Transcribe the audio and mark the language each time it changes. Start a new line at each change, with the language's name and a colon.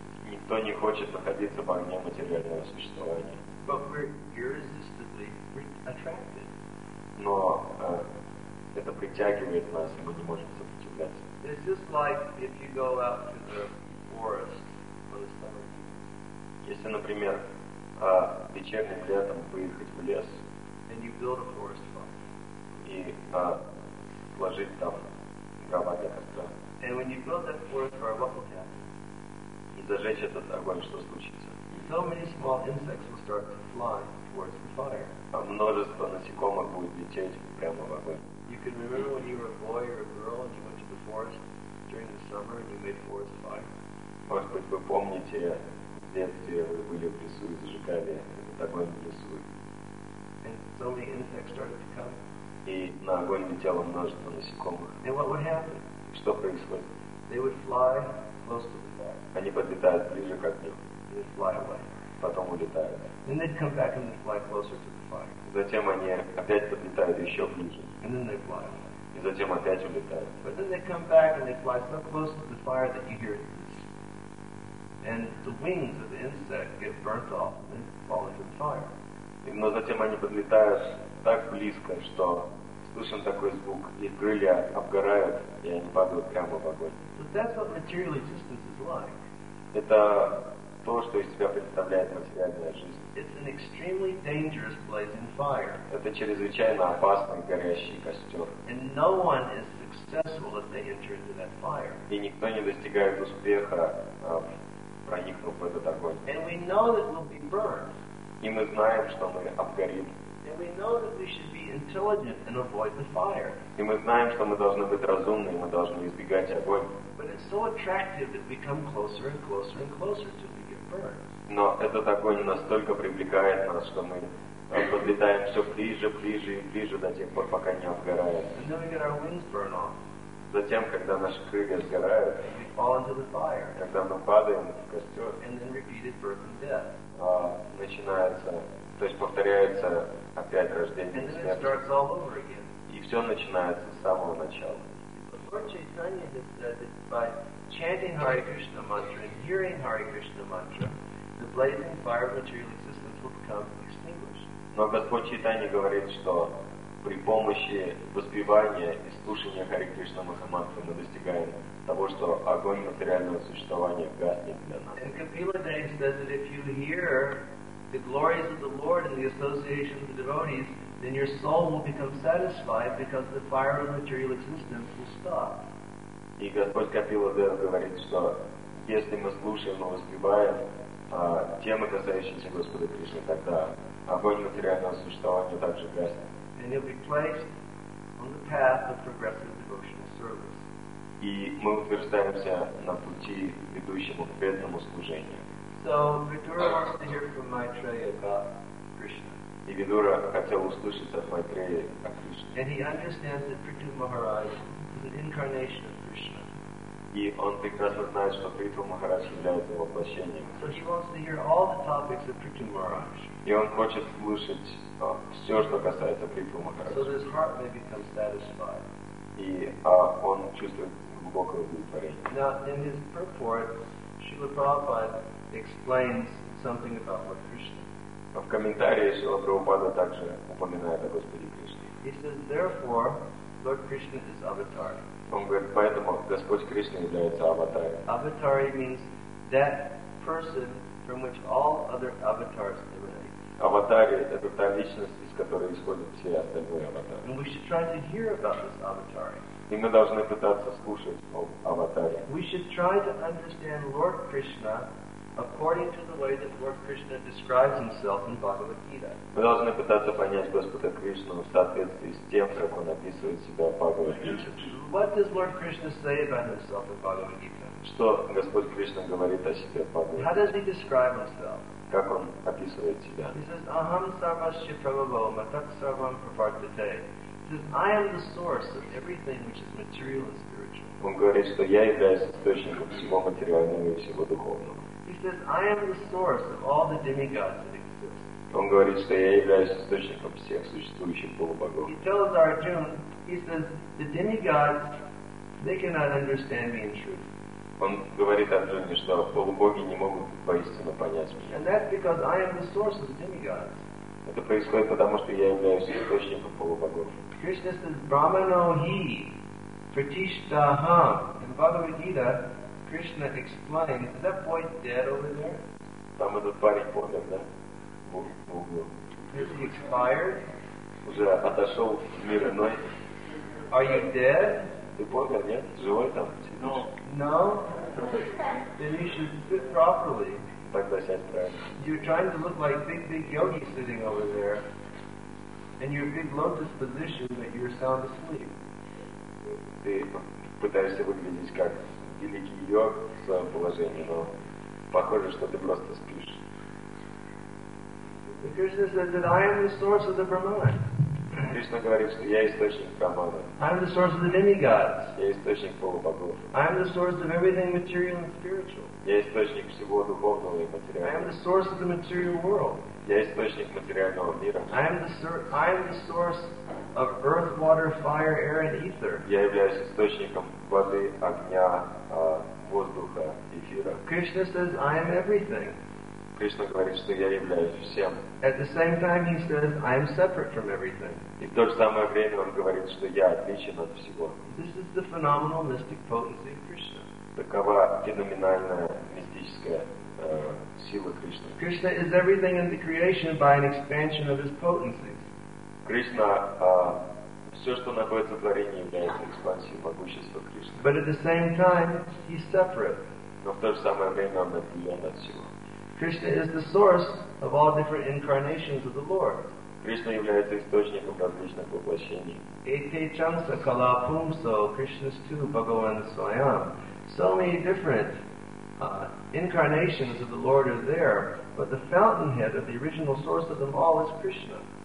Russian: Никто не хочет находиться в огне материального существования.
English: But we're irresistibly attracted.
Russian: Но это притягивает нас, и мы не можем сопротивляться.
English: It's just like if you go out to the forest on the summer.
Russian: Если, например, вечерним летом выехать в лес
English: and you build a forest fire.
Russian: И сложить там дрова для костра.
English: And when you build that forest fire, what will happen?
Russian: И зажечь этот огонь, что случится?
English: So many small insects will start to fly towards the fire.
Russian: А множество насекомых будет лететь прямо в огонь.
English: You can remember when you were a boy or a girl and you went to the forest during the summer and you made forest fire.
Russian: Может быть, вы помните, в детстве вы были в лесу и зажигали этот огонь в лесу.
English: And so many insects started to come.
Russian: И на огонь летело множество насекомых.
English: And what would happen?
Russian: И что происходит?
English: They would fly close to the fire.
Russian: Они подлетают ближе к огню.
English: They'd fly away.
Russian: Потом улетают.
English: Then they'd come back and they'd fly closer to the fire.
Russian: Затем они опять подлетают еще ближе.
English: And then they fly away.
Russian: И затем опять улетают.
English: But then they come back and they fly so close to the fire that you hear this. And the wings of the insect get burnt off and they fall into the fire.
Russian: Но затем они подлетают так близко, что слышен такой звук, и крылья обгорают, и они падают прямо в огонь.
English: But that's what material existence is like.
Russian: Это то, что из себя представляет материальная жизнь.
English: It's an extremely dangerous blazing fire.
Russian: Это чрезвычайно опасный горящий костер.
English: And no one is successful if they enter into that fire.
Russian: И никто не достигает успеха, проникнув в этот огонь.
English: And we know that we'll be burned.
Russian: И мы знаем, что мы обгорим.
English: And we know that we should be intelligent and avoid the fire.
Russian: И мы знаем, что мы должны быть разумны, и мы должны избегать огонь.
English: But it's so attractive that we come closer and closer and closer to get burned.
Russian: Но этот огонь настолько привлекает нас, что мы подлетаем все ближе, ближе и ближе до тех пор, пока не обгорает.
English: And then we get our wings burn off.
Russian: Затем, когда наши крылья сгорают,
English: we fall into the fire.
Russian: Когда мы падаем в костер,
English: and then repeated birth and death.
Russian: Начинается, то есть повторяется опять рождение
English: and
Russian: смерти.
English: It starts all over again.
Russian: И все начинается с самого начала.
English: Lord Chaitanya has said that by chanting Hare Krishna mantra and hearing Hare Krishna mantra, the blazing fire of material existence will become extinguished.
Russian: Но Господь Чайтанья говорит, что при помощи воспевания и слушания Хари Кришна Махамантры мы достигаем того, что огонь материального существования гаснет для нас.
English: And Kapila Dev says that if you hear the glories of the Lord and the association of the devotees, then your soul will become satisfied because the fire of material existence will stop.
Russian: И Господь Капила Дев говорит, что если мы слушаем и воспеваем темы, касающиеся Господа Кришны, тогда огонь материального существования также гаснет.
English: And he'll be placed on the path of progressive devotional service.
Russian: и мы утверждаемся на пути, ведущем к преданному служению.
English: So, Vidura wants to hear from Maitreya about Krishna.
Russian: И Видура хотел услышать от Майтрея о Кришне.
English: And he understands that Prithu Maharaj is an incarnation of Krishna.
Russian: И он прекрасно знает, что Прита Махарадж является воплощением.
English: So he wants to hear all the topics of Prita Maharaj.
Russian: И он хочет слушать все, что касается Прита Махарадж.
English: So his heart may become satisfied.
Russian: И он чувствует глубокое удовлетворение.
English: Now, in his purport, Srila Prabhupada explains something about Lord Krishna.
Russian: В комментарии Шрила Прабхупада также упоминает о Господе Кришне.
English: He says, therefore, Lord Krishna is avatar.
Russian: Он говорит, поэтому Господь Кришна является аватарой.
English: Avatari means that person from which all other avatars emanate.
Russian: Аватари — это та личность, из которой исходят все остальные аватары.
English: And we should try to hear about this avatari.
Russian: И мы должны пытаться слушать об аватаре.
English: We should try to understand Lord Krishna according to the way that Lord Krishna describes himself in Bhagavad Gita.
Russian: Мы должны пытаться понять Господа Кришну в соответствии с тем, как он описывает себя в Бхагавад Гите.
English: What does Lord Krishna say about himself in Bhagavad Gita?
Russian: Что Господь Кришна говорит о себе в Бхагавад Гите?
English: How does he describe himself?
Russian: Как он описывает себя?
English: He says,
Sanskrit: Aham sarvasya prabhavo matat sarvam pravartate.
English: He says, I am the source of everything which is material and spiritual.
Russian: Он говорит, что я являюсь источником всего материального и всего духовного.
English: He says, I am the source of all the demigods that exist.
Russian: Он говорит, что я являюсь источником всех существующих полубогов.
English: He tells Arjuna, he says, the demigods, they cannot understand me in truth.
Russian: Он говорит Арджуне, что полубоги не могут поистину понять меня.
English: And that's because I am the source of the demigods.
Russian: Это происходит потому, что я являюсь источником полубогов.
English: Krishna says,
Sanskrit: Brahmano hi, pratishtaham.
English: In Bhagavad Gita, Krishna explains, is that boy dead over there?
Russian: Там этот парень помер, да? В углу.
English: Is he expired?
Russian: Уже отошел в мир иной.
English: Are you dead?
Russian: Ты помер, нет? Живой там?
English: No. No? Then you should sit properly.
Russian: Тогда сядь правильно.
English: You're trying to look like big yogi sitting over there. In your big lotus position, but you're sound asleep.
Russian: Ты пытаешься выглядеть как великий йог в своем положении, но похоже, что ты просто спишь.
English: Krishna says that I am the source of the Brahmana.
Russian: Кришна говорит, что я источник Брахмана.
English: I am the source of the demigods.
Russian: Я источник полубогов.
English: I am the source of everything material and spiritual.
Russian: Я источник всего духовного и материального.
English: I am the source of the material world.
Russian: Я источник материального мира.
English: I am the source of earth, water, fire, air, and ether.
Russian: Я являюсь источником воды, огня, воздуха, эфира.
English: Krishna says, I am everything.
Russian: Кришна говорит, что я являюсь всем.
English: At the same time, he says, I am separate from everything.
Russian: И в то же самое время он говорит, что я отличен от всего.
English: This is the phenomenal mystic potency of Krishna.
Russian: Такова феноменальная мистическая сила Кришны.
English: Krishna is everything in the creation by an expansion of his potency.
Russian: Кришна, все, что находится в творении, является экспансией могущества Кришны.
English: But at the same time, he's separate.
Russian: Но в то же самое время он отделен от всего.
English: Krishna is the source of all different incarnations of the Lord.
Russian: Кришна является источником различных воплощений.
Sanskrit: Ete chamsa kala pumso, Krishna's two, Bhagavan Swayam.
English: So many different incarnations of the Lord are there, but the fountainhead of the original source of them all is Krishna.